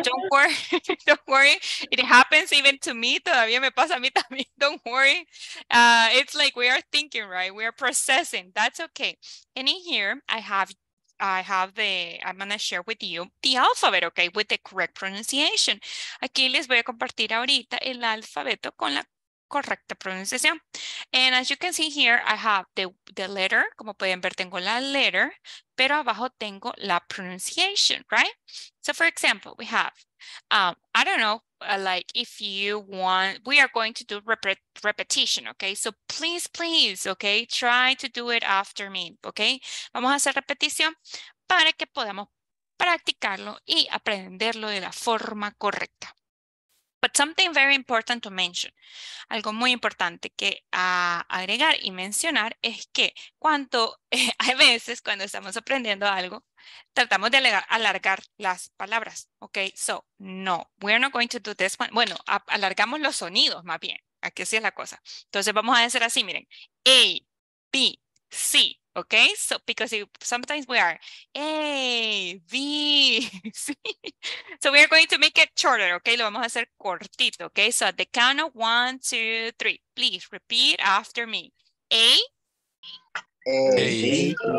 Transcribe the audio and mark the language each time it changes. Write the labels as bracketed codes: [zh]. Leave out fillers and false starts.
[en] Don't worry. It happens even to me. [es] Todavía me pasa a mí también. [en] Don't worry. It's like we are thinking, right? We are processing. That's okay. And in here, I'm going to share with you the alphabet, okay? With the correct pronunciation. [es] Aquí les voy a compartir ahorita el alfabeto con la correcta pronunciación. [en] And as you can see here, I have the letter. [es] Como pueden ver, tengo la letter, pero abajo tengo la pronunciation, right? [en] So for example, we have, I don't know, like if you want, we are going to do repetition, okay? So please, okay? Try to do it after me, okay? [es] Vamos a hacer repetición para que podamos practicarlo y aprenderlo de la forma correcta. [en] But something very important to mention, [es] algo muy importante que agregar y mencionar es que a veces cuando estamos aprendiendo algo, tratamos de alargar las palabras, okay? [en] So, no, we're not going to do this one. [es] Bueno, alargamos los sonidos más bien, aquí así es la cosa. Entonces vamos a hacer así, miren, A, B, C, okay? [en] So, because sometimes we are A, B, C. So we are going to make it shorter, okay? [es] Lo vamos a hacer cortito, okay? [en] So at the count of 1, 2, 3, please repeat after me. A. A. B.